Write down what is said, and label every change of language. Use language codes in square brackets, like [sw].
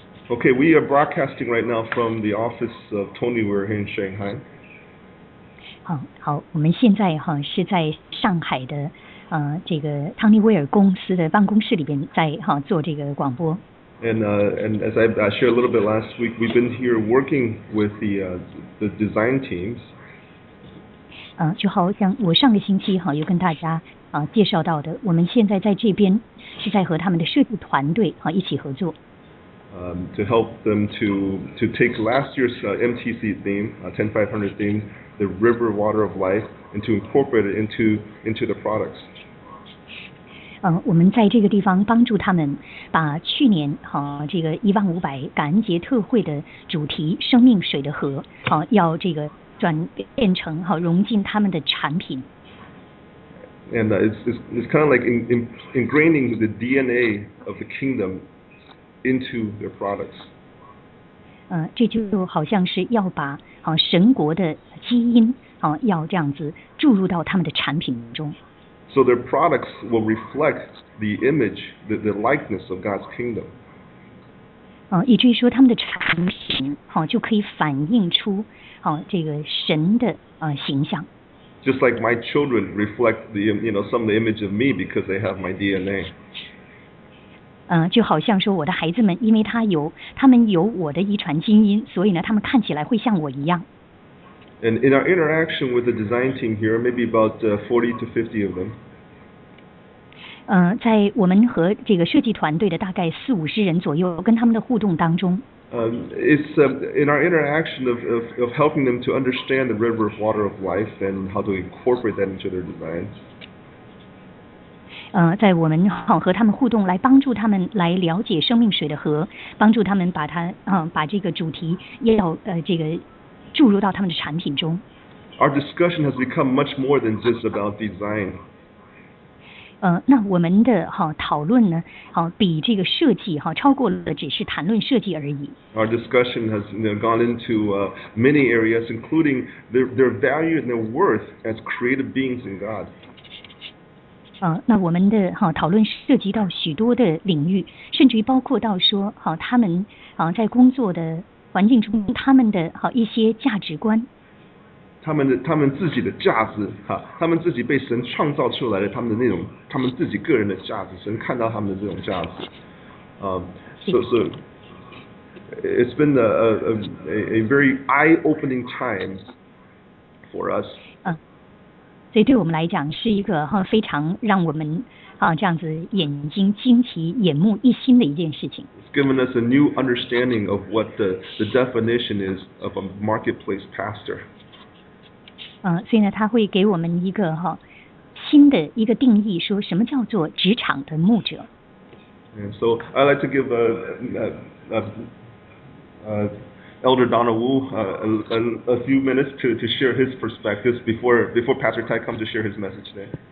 [en] Okay, we are broadcasting right now from the office of Tony Weir in Shanghai. [zh] 好，我们现在是在上海的这个汤尼威尔公司的办公室里边在做这个广播。 [en] And as I shared a little bit last week, we've been here working with the design teams. [zh] 就好像我上个星期又跟大家介绍到的，我们现在在这边是在和他们的设计团队一起合作。 [en] To help them to take last year's MTC theme, 10500 theme, the River Water of Life, and to incorporate it into the products. [zh] 我们在这个地方帮助他们把去年这个15000感恩节特会的主题生命水的河要这个转变成融进他们的产品。 [en] And it's kind of like ingraining the DNA of the kingdom into their products. [zh] 这就好像是要把神国的基因要这样子注入到他们的产品中。 [en] So their products will reflect the image, the likeness of God's kingdom. [zh] 以至于说他们的产品就可以反映出这个神的形象。 [en] Just like my children reflect the, you know, some of the image of me because they have my DNA. [zh] 就好像说我的孩子们，因为他们有我的遗传基因，所以呢，他们看起来会像我一样。 [en] And in our interaction with the design team here, maybe about 40 to 50 of them. [zh] 在我们和这个设计团队的大概四五十人左右跟他们的互动当中。 [en] It's in our interaction of helping them to understand the river of water of life and how to incorporate that into their designs. [zh] 在我们和他们互动，来帮助他们来了解生命水的河，帮助他们把它把这个主题要这个注入到他们的产品中。 [en] Our discussion has become much more than just about design. [zh] 那我们的讨论呢，比这个设计超过了只是谈论设计而已。 [en] Our discussion has, you know, gone into many areas, including their value and their worth as creative beings in God. [zh] 那我们的讨论涉及到许多的领域，甚至于包括到说他们在工作的环境中他们的一些价值观，他们自己的价值他们自己被神创造出来的他们的那种他们自己个人的价值，神看到他们的这种价值。 [en] So it's been a very eye-opening time for us. [zh] 所以对我们来讲是一个非常让我们这样子眼睛惊奇眼目一新的一件事情。 [en] Given us a new understanding of what the definition is of a marketplace pastor. [zh] 所以呢，他会给我们一个新的一个定义，说什么叫做职场的牧者。 [en] And so I'd like to give Elder Donald Wu a few minutes to share his perspectives before Pastor Tai comes to share his message today.